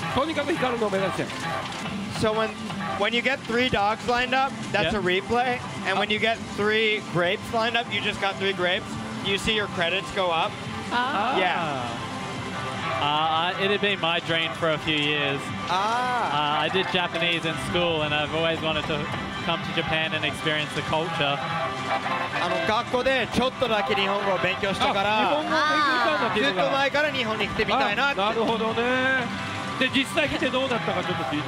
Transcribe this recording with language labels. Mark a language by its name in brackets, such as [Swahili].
[Japanese] ジャスティン、こぼしすぎ、ジャスティン、こぼしすぎ、落ち着いて、落ち着いて。とにかくね、でも、戦術ゲームでは必ず、ゴーゴーランプが光りますんで、初心者でも打ちやすいかなという感じですね。ゴーゴーランプが、とにかく光るのを目指して。So [English] when you get three dogs lined up, that's a replay. And when you get three grapes lined up, you just got three grapes, you see your credits go up. Yeah. It had been my dream for a few years. I did Japanese in school, and I've always wanted to come to Japan and experience the culture. [Japanese] あの、学校でちょっとだけ日本語を勉強したから、ずっと前から日本に来てみたいな。なるほどね。で、実際来てどうだったかちょっと聞いて。